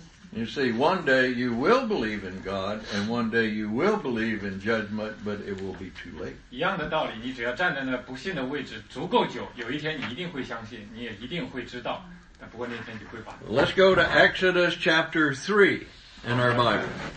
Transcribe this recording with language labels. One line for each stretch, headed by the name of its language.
English: You see, one day you will believe in God and one day you will believe in judgment, but it will be too late.
Chinese: 一样的道理,你只要站在那不信的位置,足够久,有一天你一定会相信,你也一定会知道。
English: Let's go to Exodus chapter 3 in our Bible.